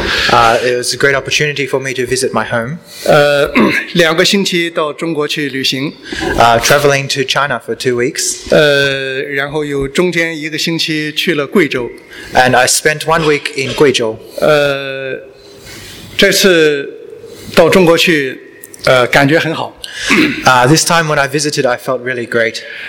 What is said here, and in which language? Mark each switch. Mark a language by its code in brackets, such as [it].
[en] It was a great opportunity for me to visit my home. [zh] 两个星期到中国去旅行。 [en] Traveling to China for 2 weeks. [zh] 然后有中间一个星期去了贵州。 [en] And I spent 1 week in 贵州。 [zh] 这次到中国去，感觉很好。 [en] This time when I visited, I felt really great.